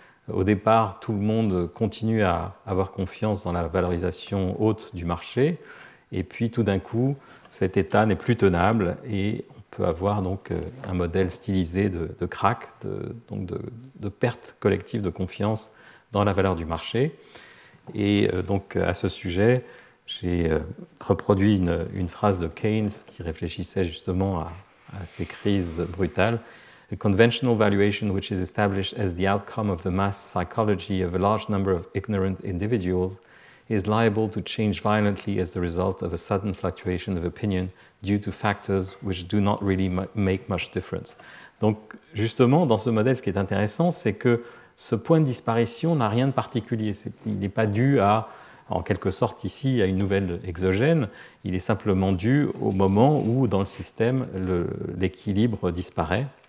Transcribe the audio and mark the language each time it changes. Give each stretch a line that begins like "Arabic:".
French: Au départ, tout le monde continue à avoir confiance dans la valorisation haute du marché, et puis tout d'un coup, cet état n'est plus tenable et on peut avoir donc un modèle stylisé de crack, de perte collective de confiance dans la valeur du marché. Et donc à ce sujet, j'ai reproduit une phrase de Keynes qui réfléchissait justement à ces crises brutales.
English: A conventional valuation which is established as the outcome of the mass psychology of a large number of ignorant individuals is liable to change violently as the result of a sudden fluctuation of opinion due to factors which do not really make much difference.
French: Donc justement, dans ce modèle, ce qui est intéressant, c'est que ce point de disparition n'a rien de particulier. Il n'est pas dû à, en quelque sorte ici, à une nouvelle exogène. Il est simplement dû au moment où, dans le système, l'équilibre disparaît.